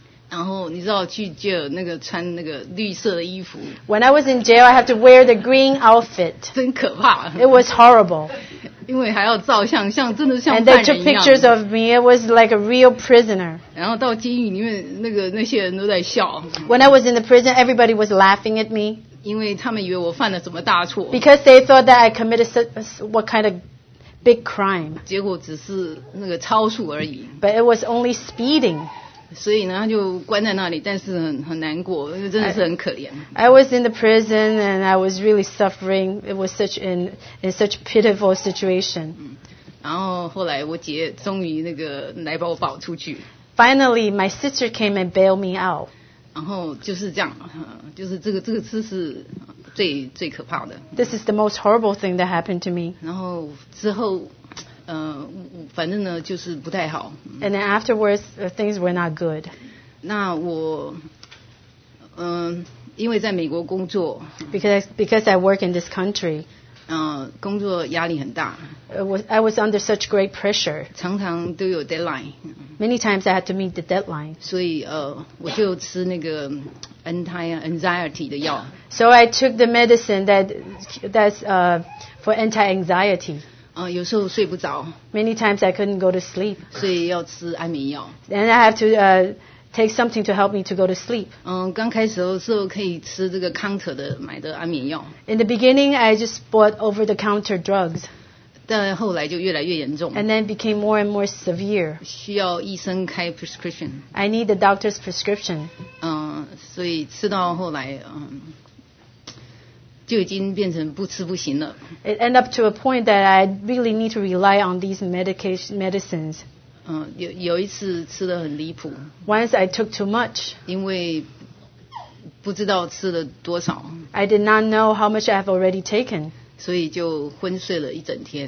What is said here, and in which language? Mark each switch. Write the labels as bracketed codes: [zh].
[zh] 然后你知道去 jail 那个穿那个绿色的衣服。 [en] When I was in jail, I had to wear the green outfit. [zh] 真可怕。 [en] It was horrible. [zh] 因为还要照相，像真的像犯人一样。 [en] And they took pictures of me. It was like a real prisoner. [zh] 然后到监狱里面，那些人都在笑。 [en] When I was in the prison, everybody was laughing at me. [zh] 因为他们以为我犯了什么大错。 [en] Because they thought that I committed what kind of big crime. [zh] 结果只是那个超速而已。 [en] But it was only speeding. [zh] 所以呢，他就关在那里，但是很难过，因为真的是很可怜。 [en] I was in the prison and I was really suffering. It was such in such pitiful situation. [zh] 然后后来我姐终于那个来把我保出去。 [en] Finally, my sister came and bailed me out. [zh] 然后就是这样，就是这个事是最可怕的。 [en] This is the most horrible thing that happened to me. [zh] 然后之后。反正呢就是不太好。 [en] And then afterwards, things were not good. [zh] 那我因为在美国工作。 [en] Because I work in this country. [zh] 工作压力很大。 [en] I was under such great pressure. [zh] 常常都有 deadline. [en] Many times I had to meet the deadline. [zh] 所以, 我就吃那个 anti-anxiety 的药。 [en] So I took the medicine that's for anti-anxiety. [zh] 有时候睡不着。 [en] Many times I couldn't go to sleep. [zh] 所以要吃安眠药。 [en] And I have to take something to help me to go to sleep. [zh] 刚开始的时候可以吃这个counter的买的安眠药。 [en] In the beginning, I just bought over-the-counter drugs. [zh] 但后来就越来越严重。 [en] And then became more and more severe. [zh] 需要医生开 prescription. [en] I need the doctor's prescription. [zh] 所以吃到后来, 就已经变成不吃不行了。 [en] It ended up to a point that I really need to rely on these medicines. [zh] 有一次吃得很离谱。 [en] Once I took too much. [zh] 因为不知道吃了多少。 [en] I did not know how much I have already taken. [zh] 所以就昏睡了一整天。